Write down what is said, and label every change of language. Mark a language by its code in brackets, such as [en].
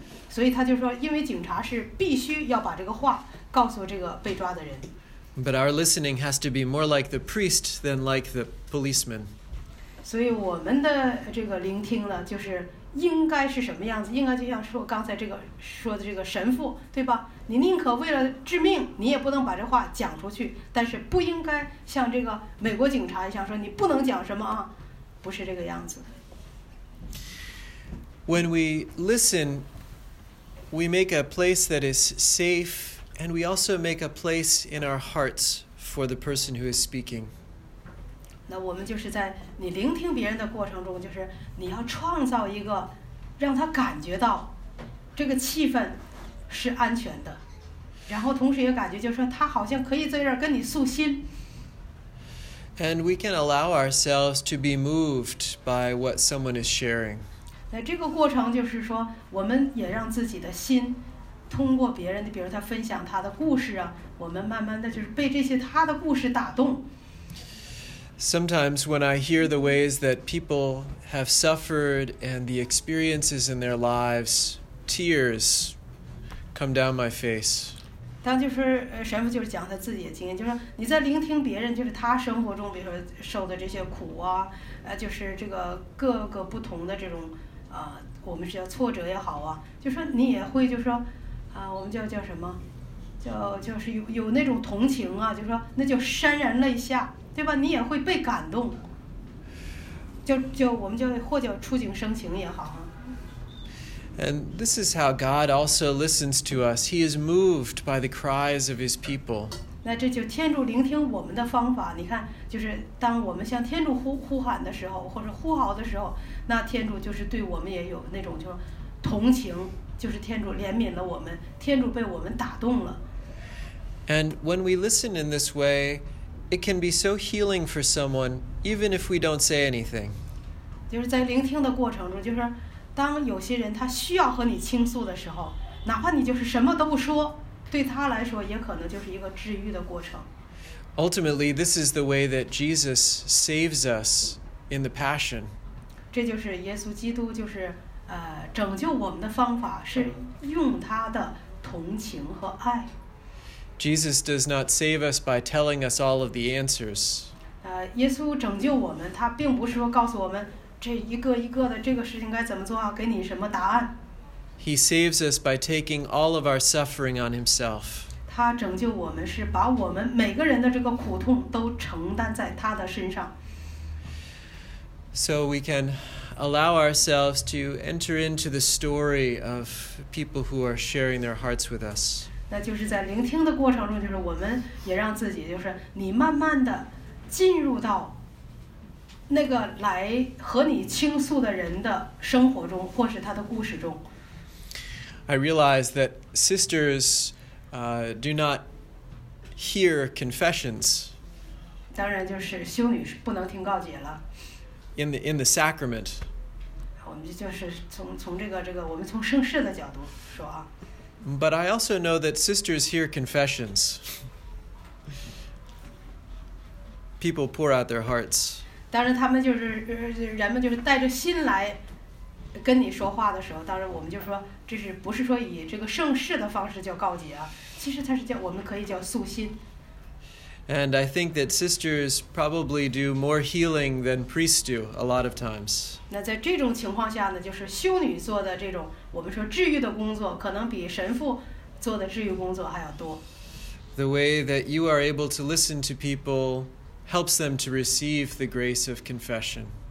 [zh] 所以他就说，因为警察是必须要把这个话告诉这个被抓的人。 [en] But our listening has to be more like the priest than like the policeman. [zh] 所以我们的这个聆听呢，就是应该是什么样子？应该就像说刚才这个说的这个神父，对吧？你宁可为了致命，你也不能把这话讲出去。但是不应该像这个美国警察一样说你不能讲什么啊，不是这个样子。 [en] When we listen, we make a place that is safe. And we also make a place in our hearts for the person who is speaking. [zh] 那我们就是在你聆听别人的过程中，就是你要创造一个让他感觉到这个气氛是安全的，然后同时也感觉就是说他好像可以在这儿跟你诉心。 [en] And we can allow ourselves to be moved by what someone is sharing. [zh] 那这个过程就是说，我们也让自己的心通过别人的，比如他分享他的故事啊，我们慢慢的就是被这些他的故事打动。 [en] Sometimes when I hear the ways that people have suffered and the experiences in their lives, tears come down my face. [zh] 当就是神父就是讲他自己的经验，就是你在聆听别人，就是他生活中，比如说受的这些苦啊，就是这个各个不同的这种我们是叫挫折也好啊，就是说你也会就是说我们叫什么，就是有那种同情啊，就是说那叫潸然泪下。对吧，你也会被感动，就我们就或叫触景生情也好。 [en] And this is how God also listens to us. He is moved by the cries of his people. [zh] 那这就天主聆听我们的方法，你看，就是当我们向天主呼喊的时候，或者呼号的时候，那天主就是对我们也有那种就同情，就是天主怜悯了我们，天主被我们打动了。 [en] And when we listen in this way,It can be so healing for someone, even if we don't say anything. [zh] 就是在聆听的过程中，就是当有些人他需要和你倾诉的时候，哪怕你就是什么都不说，对他来说也可能就是一个治愈的过程。 [en] Ultimately, this is the way that Jesus saves us in the Passion. [zh] 这就是耶稣基督就是拯救我们的方法，是用他的同情和爱。 [en] Jesus does not save us by telling us all of the answers. [zh] 耶稣拯救我们，他并不是说告诉我们这一个一个的这个事情该怎么做啊，给你什么答案。 [en] He saves us by taking all of our suffering on himself. [zh] 他拯救我们是把我们每个人的这个苦痛都承担在他的身上。 [en] So we can allow ourselves to enter into the story of people who are sharing their hearts with us. [zh] 那就是在聆听的过程中，就是我们也让自己，就是你慢慢的进入到那个来和你倾诉的人的生活中，或是他的故事中。 [en] I realize that sisters, do not hear confessions. [zh] 当然，就是修女是不能听告解了。 [en] In the sacrament. [zh] 我们就是从这个我们从圣事的角度说啊。 [en] But I also know that sisters hear confessions. People pour out their hearts. [zh] 当然他们就是人们就是带着心来跟你说话的时候，当然我们就说这是不是说以这个圣事的方式叫告解啊，其实它是叫我们可以叫诉心。 [en] And I think that sisters probably do more healing than priests do a lot of times. [zh] 那在这种情况下呢，就是修女做的这种我们说治愈的工作，可能比神父做的治愈工作还要多。 [en] The way that you are able to listen to people helps them to receive the grace of confession.